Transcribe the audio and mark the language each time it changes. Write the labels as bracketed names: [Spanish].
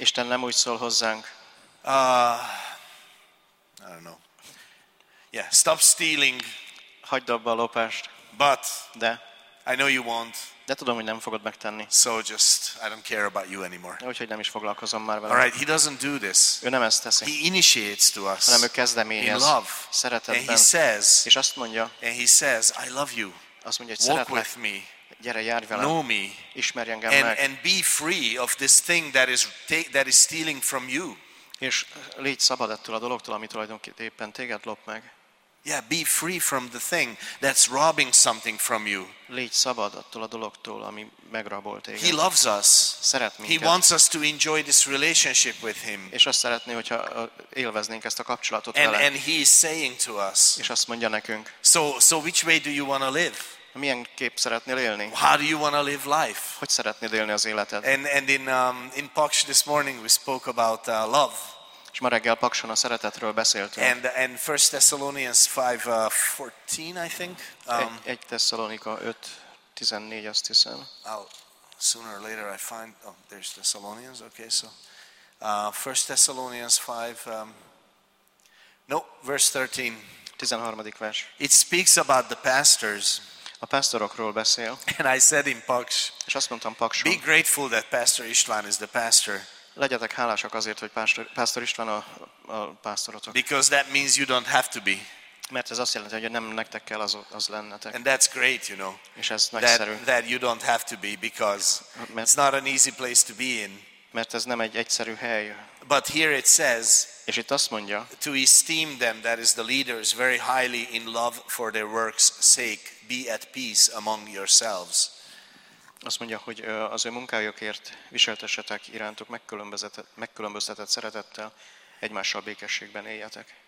[Hungarian] Isten nem úgy szól hozzánk. [English] I don't know. Yeah, stop stealing. [Hungarian] Hagyd abba a lopást. [English] But [Hungarian] de [English] I know you won't. [Hungarian] De tudom, hogy nem fogod megtenni. [English] So just I don't care about you anymore. [Hungarian] Úgyhogy nem is foglalkozom már vele. [English] All right, he doesn't do this. [Hungarian] Ő nem ezt teszi. [English] He initiates to us. [Hungarian] Hanem ő kezdeményez. [English] In love. [Hungarian] Szeretetben. [English] And he says. [Hungarian] És azt mondja. [English] And he says, I love you. [Hungarian] Azt mondja, hogy szeretlek. [English] Walk with me. [Hungarian] Gyere, járj velem, [English] know me, [Hungarian] ismerj engem [English] and, [Hungarian] meg, [English] and be free of this thing that is stealing from you. [Hungarian] És légy szabad ettől a dologtól, amit tulajdonképpen téged lop meg. [English] Yeah, be free from the thing that's robbing something from you. [Hungarian] Légy szabad attól a dologtól, ami megrabol téged. [English] He loves us. [Hungarian] Szeret minket. [English] He wants us to enjoy this relationship with him. [Hungarian] És azt szeretné, hogyha élveznénk ezt a kapcsolatot [English] and, [Hungarian] vele. [English] And he is saying to us. [Hungarian] És azt mondja nekünk. [English] So which way do you want to live? [Hungarian] Milyen kép szeretnél élni? [English] How do you want to live life? [Hungarian] Hogy szeretnéd élni az életed? [English] And in Paks this morning we spoke about love. [Hungarian] És ma reggel Pakson a szeretetről beszéltünk. [English] And 1 Thessalonians 5:14 I think. [Hungarian] 1 Thessalonika 5:14 azt hiszem. [English] I'll, sooner or later I find oh, there's Thessalonians, okay, so 1 Thessalonians 5:13. [Hungarian] 13. [English] It speaks about the pastors. [Hungarian] A pásztorokról beszél. [English] And I said in Paks. [Hungarian] És azt mondtam Pakson. [English] Be grateful that Pastor István is the pastor. [Hungarian] Legyetek hálásak azért, hogy Pastor István a pásztorotok. [English] Because that means you don't have to be. [Hungarian] Mert ez azt jelenti, hogy nem nektek kell az lennetek. [English] And that's great, you know. [Hungarian] És ez nagyszerű. [English] That you don't have to be because it's not an easy place to be in. [Hungarian] Mert ez nem egy egyszerű hely. [English] But here it says. [Hungarian] És itt azt mondja. [English] To esteem them, that is the leaders, very highly in love for their works' sake. Be at peace among yourselves. [Hungarian] Azt mondja, hogy az ő munkájukért viseltessetek irántuk megkülönböztetett szeretettel, egymással békességben éljetek.